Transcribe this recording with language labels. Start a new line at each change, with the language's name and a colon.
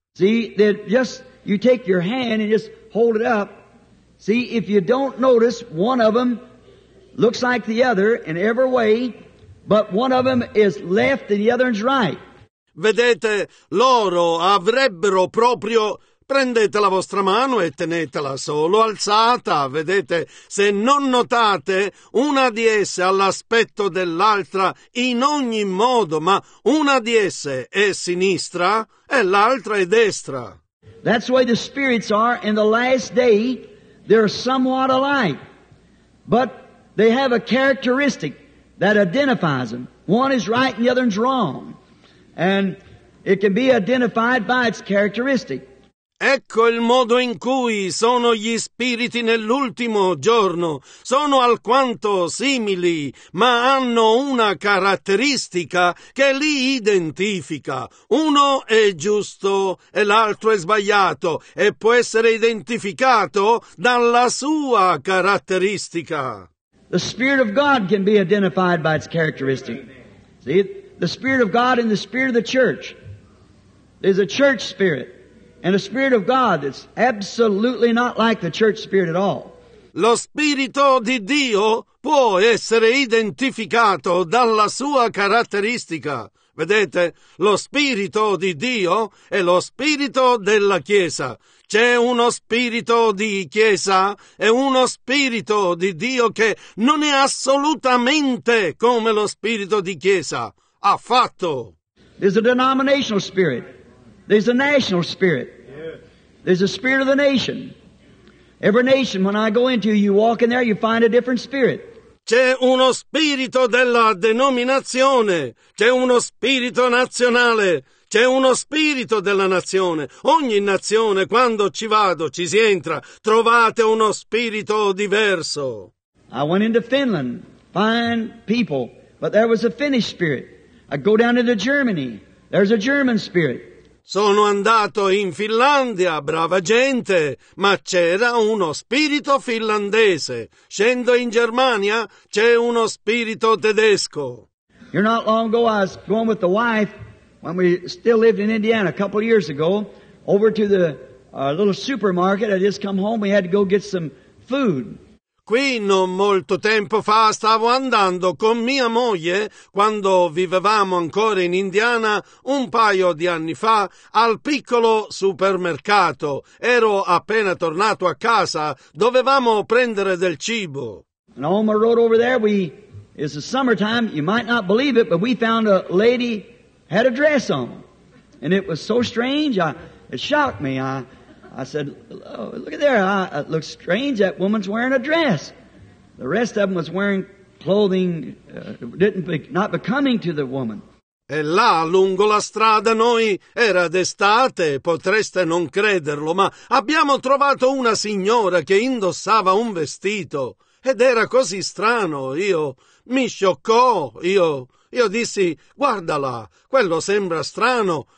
English: See, that just, you take your hand and just hold it up. See, if you don't notice one of them, looks like the other in every way, but one of them is left and the other is right.
Italian: Vedete, loro avrebbero proprio... Prendete la vostra mano e tenetela solo alzata. Vedete, se non notate una di esse all'aspetto dell'altra in ogni modo, ma una di esse è sinistra e l'altra è destra.
English: That's why the spirits are in the last day, they're somewhat alike, but... They have a characteristic that identifies them. One is right and the other is wrong. And it can be identified by its characteristic.
Italian: Ecco il modo in cui sono gli spiriti nell'ultimo giorno. Sono alquanto simili, ma hanno una caratteristica che li identifica. Uno è giusto e l'altro è sbagliato e può essere identificato dalla sua caratteristica.
English: The Spirit of God can be identified by its characteristic. See, the Spirit of God and the Spirit of the Church. There's a church spirit and a Spirit of God that's absolutely not like the church spirit at all.
Italian: Lo Spirito di Dio può essere identificato dalla sua caratteristica. Vedete, lo Spirito di Dio è lo Spirito della Chiesa. C'è uno spirito di Chiesa e uno spirito di Dio che non è assolutamente come lo spirito di Chiesa, affatto.
English: There's a denominational spirit. There's a national spirit. There's a spirit of the nation. Every nation, when I go into you, you walk in there, you find a different spirit.
Italian: C'è uno spirito della denominazione, c'è uno spirito nazionale. C'è uno spirito della nazione. Ogni nazione, quando ci vado, ci si entra, trovate uno spirito diverso.
English: I went into Finland, fine people, but there was a Finnish spirit. I go down into Germany, there's a German spirit.
Italian: Sono andato in Finlandia, brava gente, ma c'era uno spirito finlandese. Scendo in Germania, c'è uno spirito tedesco.
English: You're not long ago, I was going with the wife. When we still lived in Indiana a couple of years ago, over to the little supermarket, I just come home, we had to go get some food.
Italian: Qui non molto tempo fa stavo andando con mia moglie, quando vivevamo ancora in Indiana, un paio di anni fa, al piccolo supermercato. Ero appena tornato a casa, dovevamo prendere del cibo.
English: And on my road over there, it's the summertime, you might not believe it, but we found a lady... had a dress on, and it was so strange, it shocked me. I said, oh, look at there, it looks strange, that woman's wearing a dress. The rest of them was wearing clothing, not becoming to the woman.
Italian: E là, lungo la strada, noi era d'estate, potreste non crederlo, ma abbiamo trovato una signora che indossava un vestito, ed era così strano, mi scioccò, io dissi, guardala, quello sembra strano,